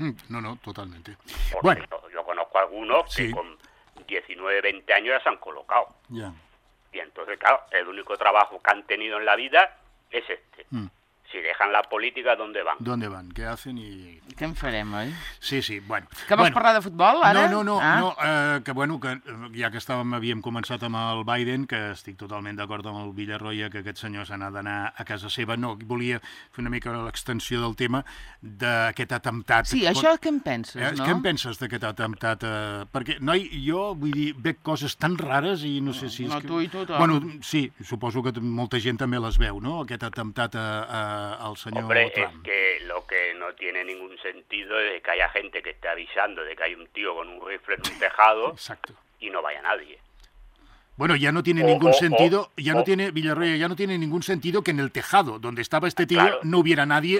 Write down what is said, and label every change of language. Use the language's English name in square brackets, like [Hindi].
[Spanish] No, no, totalmente. Porque bueno, yo conozco algunos que con 19, 20 años ya se han colocado. Y entonces, claro, el único trabajo que han tenido en la vida es este. Si dejan la política, ¿dónde van? ¿Dónde van? ¿Qué hacen? ¿Y [Catalan] qué en farem, oi? [Spanish] Sí, sí, bueno. [Catalan] Que vols parlar de futbol, ara? No, que bueno, que ja que estàvem, havíem començat amb el Biden, que estic totalment d'acord amb el Villarroya, que aquest senyor s'ha d'anar a casa seva. No, volia fer una mica l'extensió del tema d'aquest atemptat. Sí, això què en penses, no? Què en penses d'aquest atemptat? Perquè, noi, jo, vull dir, veig coses tan rares i no sé si... No, tu i tothom. Bueno, sí, suposo que molta gent també les veu, no? Aquest atemptat al senyor [Spanish] Hombre, Trump. Es que lo que no tiene ningún sentido es que haya gente que esté avisando de que hay un tío con un rifle en un tejado y no vaya nadie. Bueno, ya no tiene ningún sentido, Villarreal, ya no tiene ningún sentido que en el tejado donde estaba este tío no hubiera nadie.